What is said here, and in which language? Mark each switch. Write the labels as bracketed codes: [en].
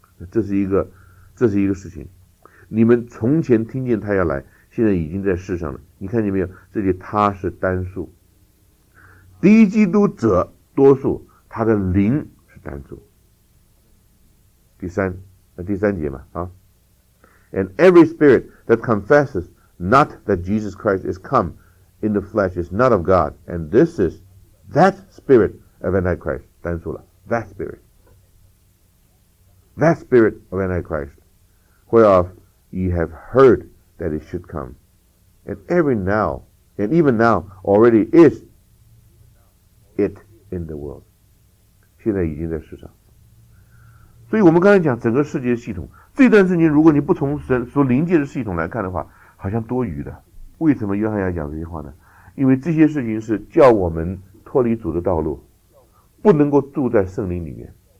[zh] 这是一个事情，你们从前听见他要来，现在已经在世上了。你看见没有？这里他是单数，敌基督者多数，他的灵是单数。第三节嘛啊 [en] ，And every spirit that confesses not that Jesus Christ is come in the flesh is not of God, and this is that spirit of Antichrist， [zh] 单数了 [en] that spirit。 that spirit of Antichrist, whereof ye have heard that it should come. And every now, and even now, already is it in the world. [zh] 现在已经在世上。所以我们刚才讲整个世界的系统，这段圣经如果你不从神所灵界的系统来看的话，好像多余的。为什么约翰要讲这些话呢？因为这些事情是叫我们脱离主的道路，不能够住在圣灵里面。